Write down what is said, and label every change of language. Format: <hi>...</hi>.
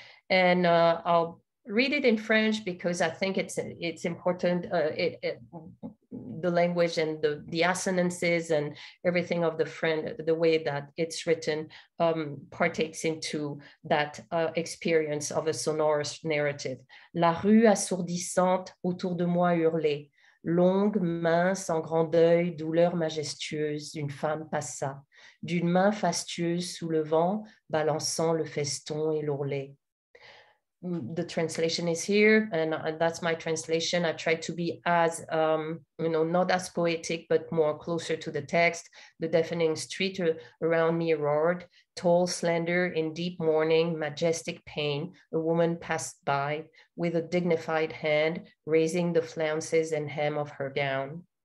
<en>And I'll read it in French because I think it's important, the language and the assonances and everything of the French, the way that it's written partakes into that experience of a sonorous narrative.</en> <fr>La rue assourdissante autour de moi hurlait, longue, mince, en grand deuil, douleur majestueuse, une femme passa, d'une main fastueuse sous le vent, balançant le feston et l'ourlet.</fr> <en>The translation is here, and that's my translation. I try to be as, not as poetic, but more closer to the text. The deafening street around me roared, tall, slender, in deep mourning, majestic pain. A woman passed by with a dignified hand, raising the flounces and hem of her gown.</en>